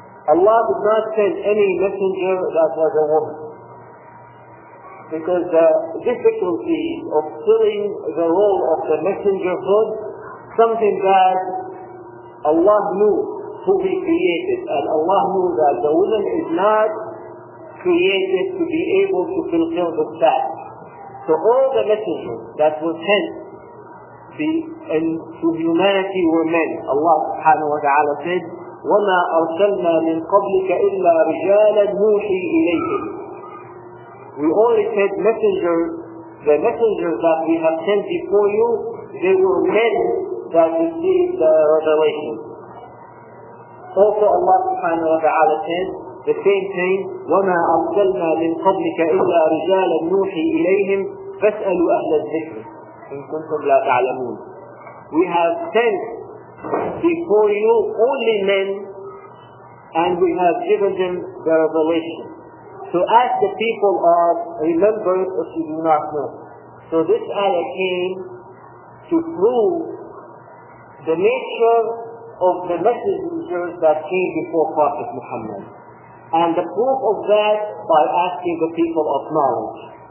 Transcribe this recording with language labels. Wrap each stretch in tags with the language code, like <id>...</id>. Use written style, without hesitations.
<en>Allah did not send any messenger that was a woman, because the difficulty of filling the role of the messengerhood, something that Allah knew who He created, and Allah knew that the woman is not created to be able to fulfill the task. So all the messengers that were sent to humanity were men. Allah subhanahu wa ta'ala said,</en> <ar>وَمَا أَرْسَلْنَا مِنْ قَبْلِكَ إِلَّا رِجَالًا نُوحِي إِلَيْهِمْ.</ar> <en>We only sent messengers, the messengers that we have sent before you, they were men that received the revelation. Also Allah subhanahu wa ta'ala said the same thing,</en> <ar>وَمَا أَرْسَلْنَا مِنْ قَبْلِكَ إِلَّا رِجَالًا نُوحِي إِلَيْهِمْ فَاسْأَلُوا أَهْلَ الذِّكْرِ إِنْ كُنْتُمْ لَا تَعْلَمُونَ.</ar> <en>We have sent before you only men, and we have given them the revelation. So ask the people of remembrance if you do not know. So this ayah came to prove the nature of the messengers that came before Prophet Muhammad, and the proof of that by asking the people of knowledge.</en>